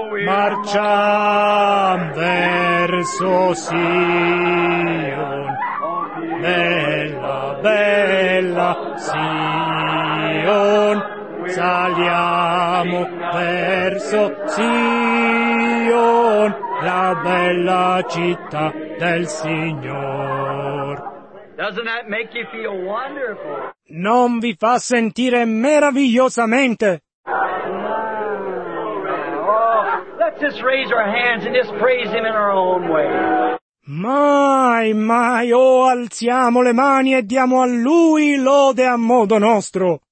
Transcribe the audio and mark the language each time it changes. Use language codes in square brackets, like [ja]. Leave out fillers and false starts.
[it] Marciam verso Sion, bella, bella Sion. Saliamo verso Sion, la bella città del Signor. [en] Doesn't that make you feel wonderful? [it] Non vi fa sentire meravigliosamente? [en] Oh, let's just raise our hands and just praise Him in our own way. [it] Mai, mai, oh, alziamo le mani e diamo a Lui lode a modo nostro.